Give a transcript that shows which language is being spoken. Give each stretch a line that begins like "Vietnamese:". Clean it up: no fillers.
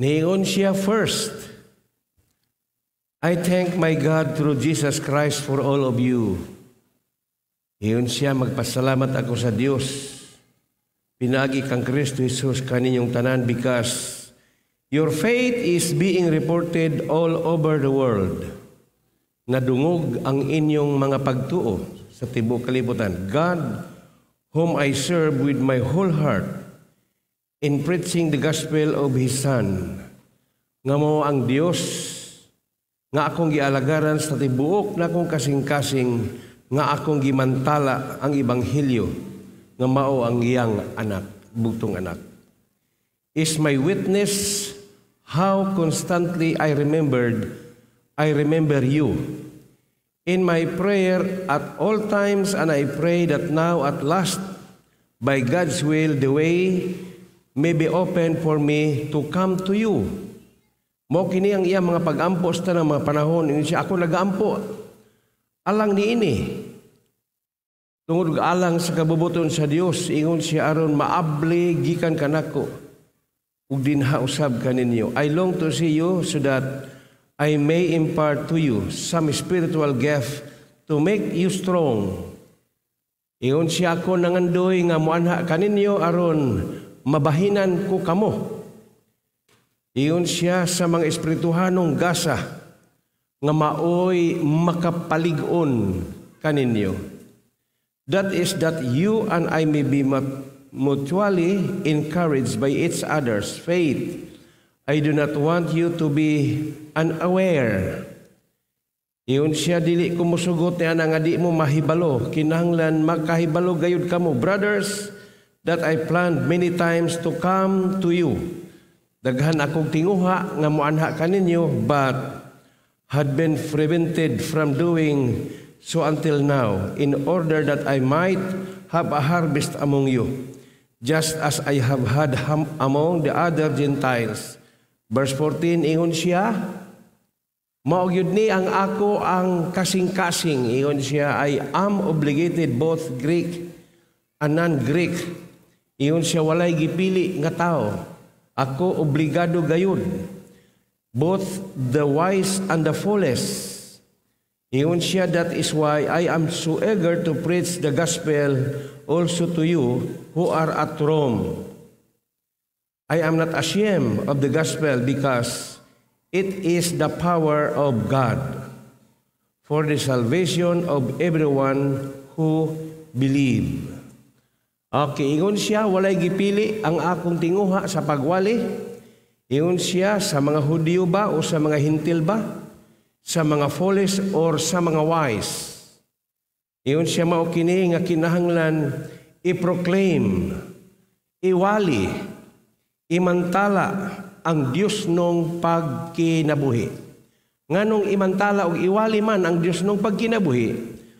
Cebuano: Niingon siya,
English: first, I thank my God through Jesus Christ for all of you.
Cebuano: Niingon siya, magpasalamat ako sa Dios. Pinagi kang Kristo Jesus kaninyong tanan,
English: because your faith is being reported all over the world.
Cebuano: Nadungog ang inyong mga pagtuo sa tibuok kalibutan.
English: God, whom I serve with my whole heart in preaching the gospel of His Son.
Cebuano: Nga mao ang Dios nga akong gialagaran sa tibuok na akong kasing-kasing, nga akong gimantala ang ebanghelyo nga mao ang iyang anak, bugtong anak.
English: Is my witness how constantly I remember you in my prayer at all times, and I pray that now at last, by God's will, the way may be open for me to come to you.
Cebuano: Mao kini ang iyang mga pag-ampo sa tanang mga panahon. Ini siya, ako nag-ampo. Alang ni ini. Tungod alang sa kabubuton sa Dios, ingon siya aron maabli gikan kanako. Ug din hausab kaninyo.
English: I long to see you so that I may impart to you some spiritual gift to make you strong.
Cebuano: Ingon siya, ako nangandoy nga muanha kaninyo aron mabahinan ko kamo. Ingon siya, sa mga espirituhanong gasa nga maoy makapalig-on kaninyo.
English: That is that you and I may be mutually encouraged by each other's faith. I do not want you to be unaware.
Cebuano: Iyon siya, dili kumusugot niya na nga di mo mahibalo, kinanglan magkahibalo gayud kamo.
English: Brothers, that I planned many times to come to you.
Cebuano: Daghan akong tinguha nga muanha kaninyo,
English: but had been prevented from doing so until now, in order that I might have a harvest among you, just as I have had among the other Gentiles.
Cebuano: Verse 14, ingon siya, maugyud ni ang ako ang kasing-kasing. Ingon siya,
English: I am obligated both Greek and non-Greek.
Cebuano: Ingon siya, walay gipili nga tao. Ako obligado gayud,
English: both the wise and the foolish.
Cebuano: Ingon siya,
English: that is why I am so eager to preach the gospel also to you who are at Rome. I am not ashamed of the gospel, because it is the power of God for the salvation of everyone who believe.
Cebuano: Okay, ingon siya, walay gipili ang akong tinguha sa pagwali. Ingon siya, sa mga Hudyo ba o sa mga Hintil ba? Sa mga foolish or sa mga wise? Ingon siya, mao kini nga kinahanglan i-proclaim, iwali, imantala ang Dios nung pagkinabuhi. Nganong imantala o iwali man ang Dios nung pagkinabuhi?